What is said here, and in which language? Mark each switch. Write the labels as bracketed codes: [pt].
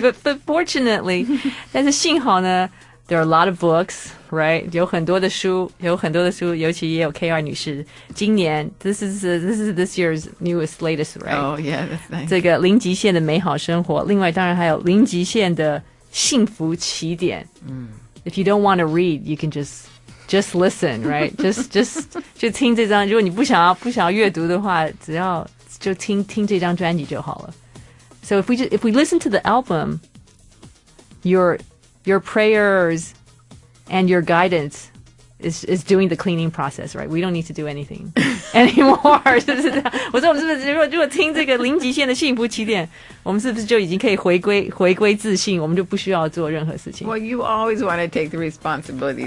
[en] But fortunately, [zh] 但是幸好呢， [en] there are a lot of books, right? [zh] 有很多的书，尤其也有 KR 女士。今年 [en] this is this year's newest, latest, right? Oh, yeah, that's nice. [zh] 这个零极限的美好生活，另外当然还有零极限的幸福起点。 [en] If you don't want to read, you can just listen, right? [zh] just 听这张，如果你不想要阅读的话，只要就听这张专辑就好了。 [en] So if we listen to the album, your prayers and your guidance is doing the cleaning process, right? We don't need to do anything anymore. [zh] 我说我们是不是如果听这个零极限的幸福起点，我们是不是就已经可以回归自信？我们就不需要做任何事情。 [en] Well, you always want to take the responsibility.